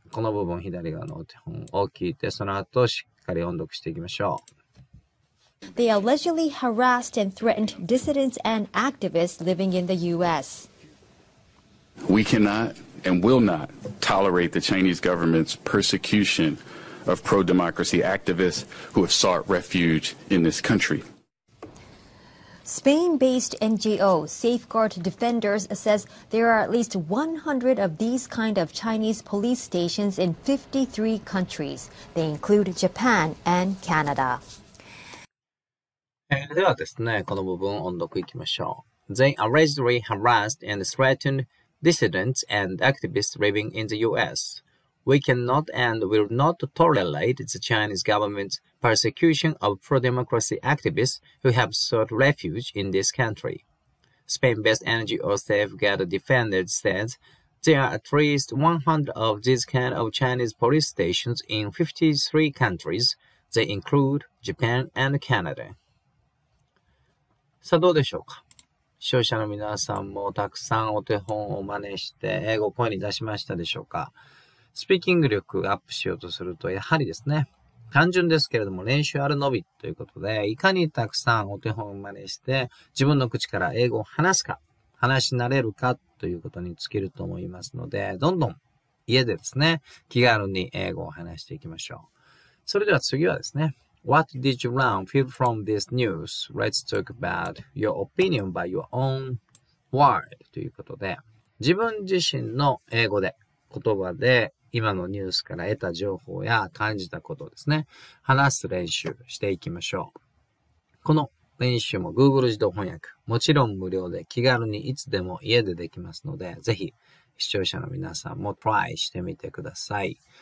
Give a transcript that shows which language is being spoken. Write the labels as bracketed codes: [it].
[ja] この部分左側のお手本を聞いて、その後しっかり音読していきましょう。 [en] They allegedly harassed and threatened dissidents and activists living in the U.S. We cannot and will not tolerate the Chinese government's persecution of pro-democracy activists who have sought refuge in this country. Spain-based NGO Safeguard Defenders says there are at least 100 of these kind of Chinese police stations in 53 countries. They include Japan and Canada. [ja] ではですね、この部分を音読いきましょう。 [en] They allegedly harassed and threatened dissidents and activists living in the U.S. We cannot and will not tolerate the Chinese government's persecution of pro-democracy activists who have sought refuge in this country. Spain-based NGO Safeguard Defenders said there are at least 100 of these kind of Chinese police stations in 53 countries. They include Japan and Canada. [ja] さあどうでしょうか。視聴者の皆さんもたくさんお手本を真似して英語声に出しましたでしょうか。スピーキング力アップしようとするとやはりですね、単純ですけれども練習あるのみということで、いかにたくさんお手本を真似して自分の口から英語を話すか、話し慣れるかということに尽きると思いますので、どんどん家でですね、気軽に英語を話していきましょう。それでは次はですね、 [en] What did you learn feel from this news? Let's talk about your opinion by your own word. [ja] ということで、自分自身の英語で、言葉で、今のニュースから得た情報や感じたことをですね、話す練習していきましょう。この練習も Google 自動翻訳、もちろん無料で気軽にいつでも家でできますので、ぜひ視聴者の皆さんも try してみてください。